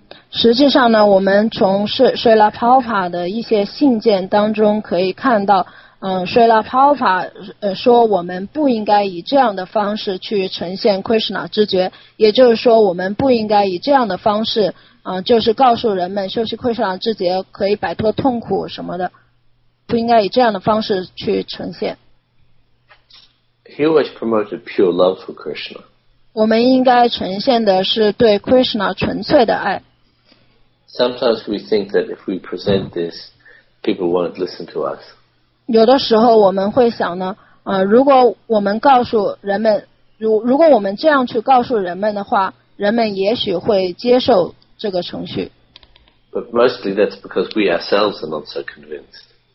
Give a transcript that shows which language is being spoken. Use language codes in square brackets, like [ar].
[zh] 实际上呢，我们从Srila Prabhupada的一些信件当中可以看到，Srila Prabhupada说我们不应该以这样的方式去呈现 Krishna 知觉，也就是说我们不应该以这样的方式就是告诉人们修习 Krishna 知觉可以摆脱痛苦什么的，不应该以这样的方式去呈现。 [en] He always promoted pure love for Krishna. [zh] 我们应该呈现的是对 Krishna 纯粹的爱。 [en] Sometimes we think that if we present this, people won't listen to us. [zh] 有的时候我们会想呢，如果我们告诉人们，如果我们这样去告诉人们的话，人们也许会接受这个程序。 [en] But mostly that's because we ourselves are not so convinced.